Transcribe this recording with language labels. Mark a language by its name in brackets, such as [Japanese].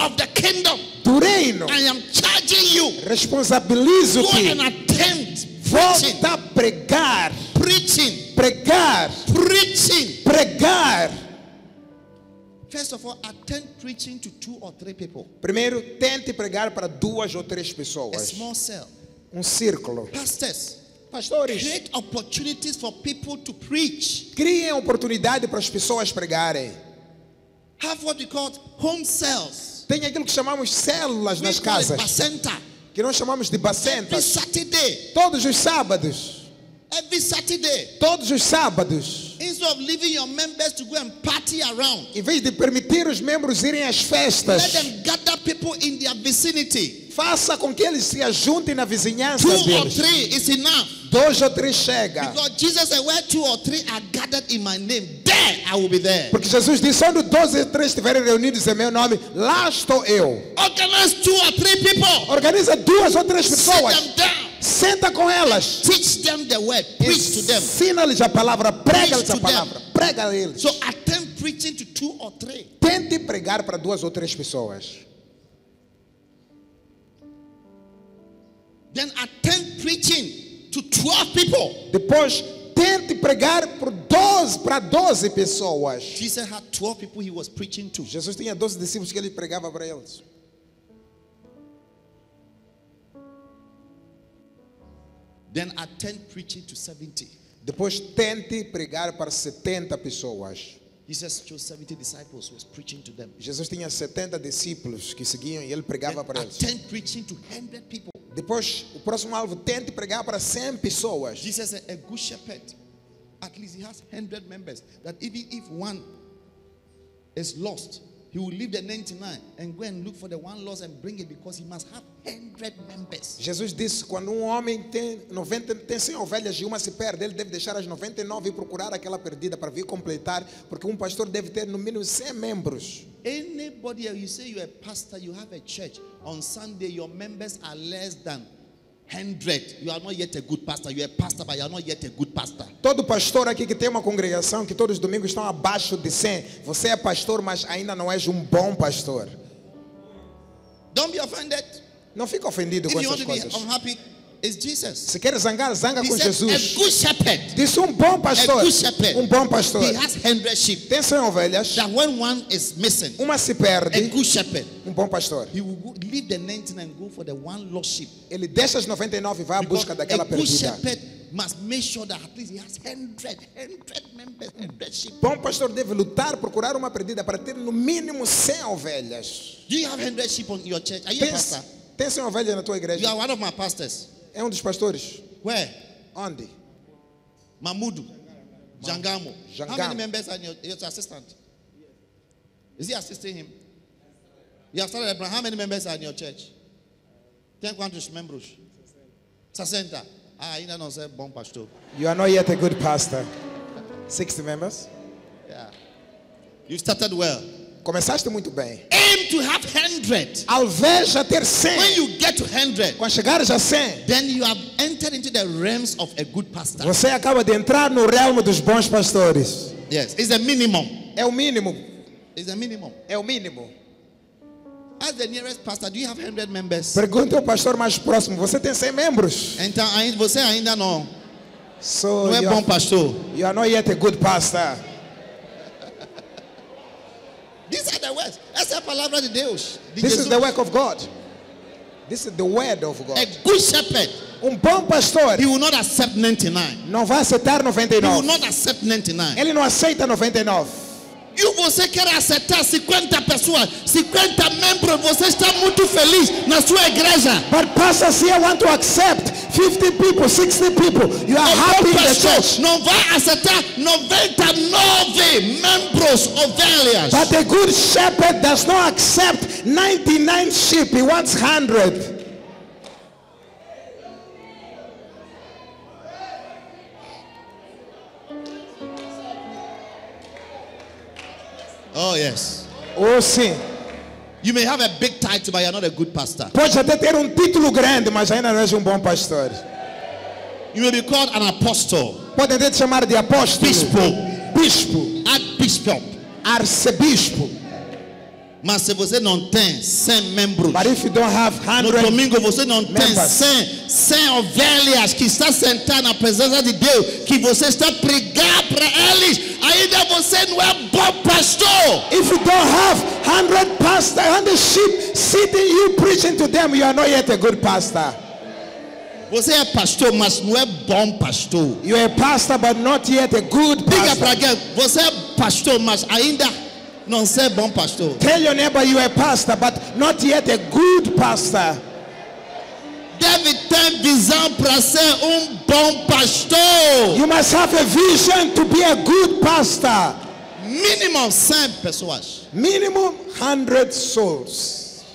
[English] Of the kingdom. [Portuguese] Do reino. [English] I am charging you. [Portuguese] Responsabilizo-te. [English] Go and attempt. [Portuguese] Volta a pregar. [English] Preaching. [Portuguese] Pregar. [English] Preaching. [Portuguese] Pregar. [English] First of all, attend preaching to two or three people. [Portuguese] Primeiro, tente pregar para duas ou três pessoas. [English] A small cell. [Portuguese] Círculo. [English] Pastors. [Portuguese] Pastores. [English] Create opportunities for people to preach. [Portuguese] Crie oportunidade para as pessoas pregarem. [English] Have what we call home cells. [Portuguese] Tem aquilo que chamamos células nas casas. [English] Bacenta. [Portuguese] Que nós chamamos de bacenta. [English] Every Saturday. [Portuguese] Todos os sábados. [English] Every Saturday. [Portuguese] Todos os sábados. [English] Instead of leaving your members to go and party around. [Portuguese] Em vez de permitir os membros irem às festas. [English] Let them gather people in their vicinity. [Portuguese] Faça com que eles se ajuntem na vizinhança [English] two [Portuguese] deles. [English] Or three is enough. [Portuguese] Dois ou três chega. [English] Because Jesus said, where two or three are gathered in my name, there I will be there. [Portuguese] Porque Jesus disse, onde dois ou três estiverem reunidos em meu nome, lá estou eu. [English] Organize two or three people. [Portuguese] Organiza duas ou três pessoas. [English] Sit them down. [Portuguese] Senta com elas. [English] Teach them the word. Preach to them. [Portuguese] Ensina-lhes a palavra. Prega-lhes a palavra. Prega a eles. [English] So attempt preaching to two or three. [Portuguese] Tente pregar para duas ou três pessoas. [English] Then attempt preaching to 12 people. [Portuguese] Depois tente pregar para 12 pessoas. [English] Jesus had 12 people he was preaching to. [Portuguese] Jesus tinha 12 discípulos que ele pregava para eles. [English] Then attempt preaching to 70. [Portuguese] Depois tente pregar para 70 pessoas. [English] Jesus chose 70 disciples who was preaching to them. [Portuguese] Jesus tinha 70 discípulos que seguiam e ele pregava para eles. [English] Attempt preaching to 100 people. [Portuguese] Depois, o próximo alvo, tente pregar para 100 pessoas. [English] Jesus [Portuguese] é um bom [English] shepherd. At least he has 100 members. That even if one is lost, he will leave the 99 and go and look for the one lost and bring it because he must have 100 members. [Portuguese] Jesus disse, quando homem tem 90, tem 100 ovelhas e uma se perde, ele deve deixar as 99 e procurar aquela perdida para vir completar, porque pastor deve ter no mínimo 100 membros. [English] Anybody, you say you're a pastor, you have a church, on Sunday your members are less than 100, you are not yet a good pastor. You are a pastor, but you are not yet a good pastor. [Portuguese] Todo pastor aqui que tem uma congregação que todos os domingos estão abaixo de 100, você é pastor, mas ainda não és bom pastor. [English] Don't be offended. [Portuguese] Não fique ofendido com essas coisas. [English] If you want to be unhappy, it's Jesus. [Portuguese] Se quer zangar, zanga com Jesus. [English] A good shepherd. [Portuguese] Disse bom pastor. [English] A good shepherd. [Portuguese] Bom pastor. [English] He has 100 sheep. [Portuguese] Tem 100 ovelhas. [English] That when one is missing, [Portuguese] uma se perde. [English] A good shepherd. [Portuguese] Bom pastor. [English] He will leave the 99 and go for the one lost sheep. [Portuguese] Ele deixa as 99 e vai à busca daquela perdida. [English] A good shepherd must make sure that at least he has 100 members, 100 sheep. [Portuguese] Bom pastor deve lutar procurar uma perdida para ter no mínimo 100 ovelhas. [English] Do you have 100 sheep on your church? Are you a pastor? [Portuguese] Tem 100 ovelhas na tua igreja? [English] You are one of my pastors. [Portuguese] É dos pastores? [English] Where? [Portuguese] Onde? Mamudu. Jangamo. Jangamo. [English] How many members are your assistant? Is he assisting him? You have started. How many members are in your church? 10 members. 60. Ah, you don't say [Portuguese] bom pastor. [English] You are not yet a good pastor. 60 members? Yeah. You started well. [Portuguese] Começaste muito bem. [English] Aim to have 100. [Portuguese] Alveja ter 100. [English] When you get to 100, [Portuguese] quando chegares a 100, [English] then you have entered into the realms of a good pastor. [Portuguese] Você acaba de entrar no reino dos bons pastores. [English] Yes, it's the minimum. [Portuguese] É o mínimo. [English] It's the minimum. [Portuguese] É o mínimo. [English] Ask the nearest pastor, do you have 100 members? [Portuguese] Pergunte ao pastor mais próximo, você tem 100 membros? Então, você ainda não. [English] So, [Portuguese] não é bom pastor. [English] You are not yet a good pastor. These are the words. [Portuguese] Essa é a palavra de Deus. [English] This is the work of God. This is the word of God. A good shepherd. [Portuguese] Bom pastor. [English] He will not accept 99. [Portuguese] Não vai aceitar 99. [English] He will not accept 99. [Portuguese] Ele não aceita 99. E você quer aceitar 50 pessoas, 50 membros, você está muito feliz na sua igreja. [English] But pastor, see, I want to accept 50 people, 60 people, you are happy in the church. [Portuguese] Não vai aceitar 99 membros ovelhas. [English] But a good shepherd does not accept 99 sheep, he wants 100. Oh yes. [Portuguese] Oh sim. [English] You may have a big title, but you're not a good pastor. [Portuguese] Pode até ter título grande, mas ainda não és bom pastor. [English] You may be called an apostle. [Portuguese] Pode até te chamar de apóstolo. Bispo. Bispo. [English] Archbishop. [Portuguese] Arcebispo. Mas se você não tem 100 membros. [English] But if you don't have 100 [Portuguese] no domingo você não tem 100 ovelhas que está sentado na presença de Deus, que você está pregando para eles, ainda você não é bom pastor. [English] If you don't have 100 pastors, 100 sheep sitting you preaching to them, you are not yet a good pastor. [Portuguese] Você é pastor, mas não é bom pastor. [English] You are a pastor but not yet a good pastor. [Portuguese] Diga para alguém, você é pastor, mas ainda não ser bom pastor. [English] Tell your neighbor you are a pastor, but not yet a good pastor. [Portuguese] David tem visão para ser bom pastor. [English] You must have a vision to be a good pastor. Minimum [Portuguese] 100 pessoas. [English] Minimum 100 souls.